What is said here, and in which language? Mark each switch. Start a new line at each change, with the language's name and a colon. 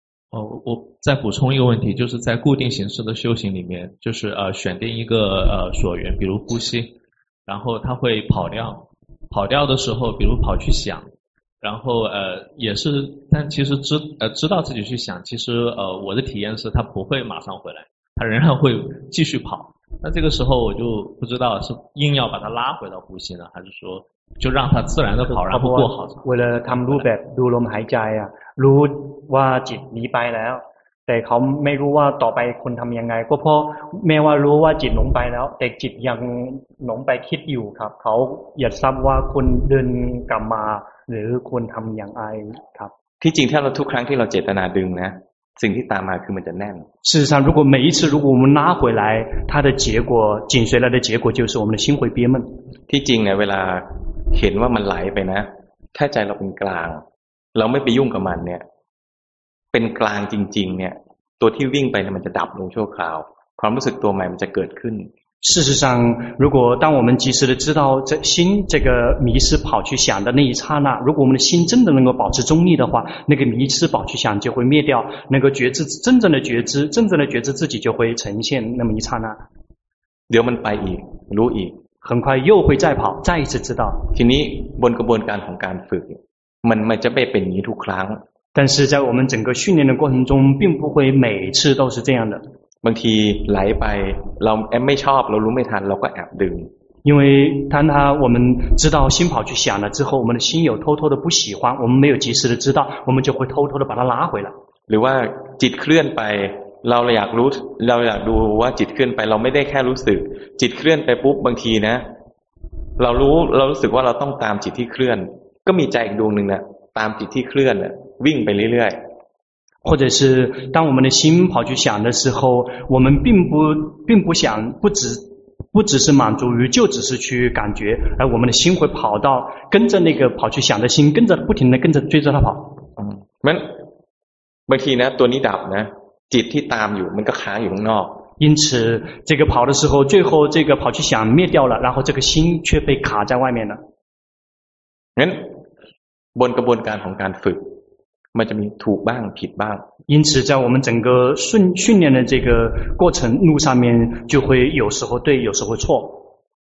Chinese: 哦，我再补充一个问题，就是在固定形式的修行里面，就是选定一个所缘，比如呼吸，然后它会跑掉，跑掉的时候，比如跑去想，然后也是，但其实知道自己去想，其实我的体验是它不会马上回来，它仍然会继续跑。那这个时候我就不知道是硬要把它拉回到呼吸呢，还是说就让它自然的跑，然后过好。为了他们路白路龙还在呀。
Thai: รู้ว่าจิตหนีไปแล้วแต่เขาไม่รู้ว่าต่อไปคนทำยังไงก็เพราะแม้ว่ารู้ว่าจิตหลงไปแล้วแต่จิตยังหลงไปคิดอยู่ครับเขาอยากทราบว่าคนเดินกลับมาหรือคนทำอย่างไรครับ ที่จริงถ้าเราทุกครั้งที่เราเจตนาดึงนะสิ่งที่ตามมาคือมันจะแน่น
Chinese: 事实上如果每一次如果我们拉回来它的结果紧随来的结果就是我们的心会憋闷
Thai: ที่จริงเนี่ยเวลาเห็นว่ามันไหลไปนะถ้าใจเราเป็นกลางเราไม่ไปยุ่งกับมันเนี่ยเป็นกลางจริงๆเนี่ยตัวที่วิ่งไปเนี่ยมันจะดับลงชั่วคราวความรู้สึกตัวใหม่มันจะเกิดขึ้น
Chinese: 事实上如果当我们及时的知道这心这个迷失跑去想的那一刹那如果我们的心真的能够保持中立的话那个迷失跑去想就会灭掉那个觉知真正的觉知真正的觉知自己就会呈现那么一刹那
Thai: เดี๋ยวมันไปอีกรู้อีก
Chinese: 很快又会再跑再一次知道
Thai: ทีนี้บนกระบวนการของการฝึกมันจะไม่เป็นนี้ทุกครั้ง
Chinese: 但是在我们整个训练的过程中并不会每次都是这样的
Thai: บางทีไหลไปเราแอบไม่ชอบเรารู้ไม่ทันเราก็แอบดึง
Chinese: 因为当他我们知道心跑去想了之后我们的心有偷偷的不喜欢我们没有及时的知道我们就会偷偷的把它拉回来
Thai: หรือว่าจิตเคลื่อนไปเราอยากรู้เราอยากดูว่าจิตเคลื่อนไปเราไม่ได้แค่รู้สึกจิตเคลื่อนไปปุ๊บบางทีนะเรารู้สึกว่าเราต้องตามจิตที่เคลื่อนก็มีใจอีกดวงหนึ่งเนี่ยตามจิตที่เคลื่อนเนี่ยวิ่งไปเรื่อย
Chinese: ๆ或者是当我们的心跑去想的时候我们并不想不只是满足于就只是去感觉而我们的心会跑到跟着那个跑去想的心跟着不停的跟着追着它跑
Thai: มันบางทีนะตัวนี้ดับนะจิตที่ตามอยู่มันก็ค้างอยู่ข้างนอก
Chinese: 因此这个跑的时候最后这个跑去想灭掉了然后这个心却被卡在外面了
Thai: งั้นบนกระบวนการของการฝึกมันจะมีถูกบ้างผิดบ้าง
Chinese: 因此在我们整个训练的这个过程路上面就会有时候对有时候错